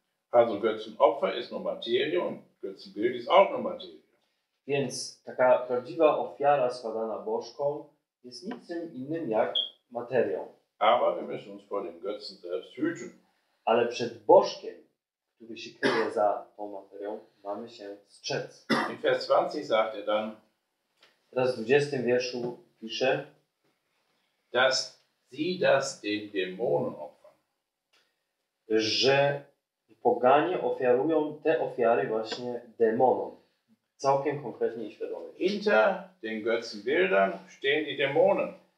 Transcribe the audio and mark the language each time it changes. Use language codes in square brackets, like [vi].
[de] Also Götzenopfer ist nur Materie und Götzenbild ist auch nur Materie. [pl] Więc taka prawdziwa ofiara składana Bożką jest nic innym jak materią. [de] Aber wir müssen uns vor dem Götzen selbst hüten. [pl] Ale przed Bożkiem, który się kryje za tą materią, mamy się strzec. [de] In Vers 20 sagt er dann, [pl] teraz w 20 wierszu pisze, [de] dass sie das den Dämonen opfern. [pl] Że poganie ofiarują te ofiary właśnie demonom. Całkiem konkretnie i świadomie. [de] Hinter den Götzenbildern stehen die Dämonen.